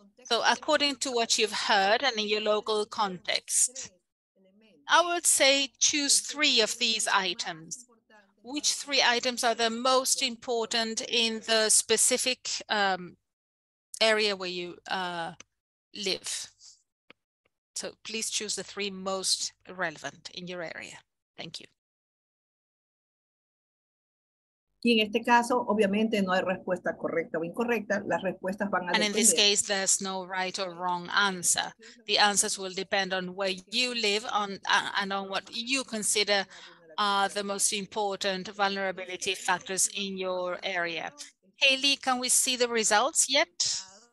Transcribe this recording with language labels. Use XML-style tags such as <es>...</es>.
<en>So according to what you've heard and in your local context, I would say choose three of these items. Which three items are the most important in the specific area where you live? So please choose the three most relevant in your area. Thank you.</en> <es>Y en este caso, obviamente, no hay respuesta correcta o incorrecta. Las respuestas van a depender.</es> <en>And in this case, there's no right or wrong answer. The answers will depend on where you live on and on what you consider are the most important vulnerability factors in your area. Haley, can we see the results yet?</en>